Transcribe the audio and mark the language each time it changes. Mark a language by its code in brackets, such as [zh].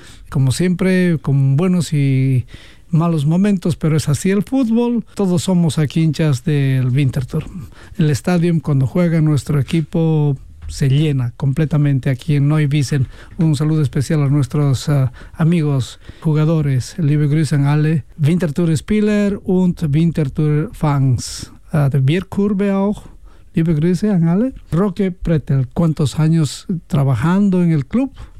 [es] Como siempre, con buenos y malos momentos, pero es así el fútbol. Todos somos aquí hinchas del Winterthur. El estadio, cuando juega nuestro equipo, se llena completamente aquí en Neuwiesen. Un saludo especial a nuestros amigos jugadores. [de] Liebe Grüßen alle Winterthur Spieler und Winterthur Fans. De Bierkurve auch. Liebe Grüße an alle. [es] Roque Pretel, ¿cuántos años trabajando en el club?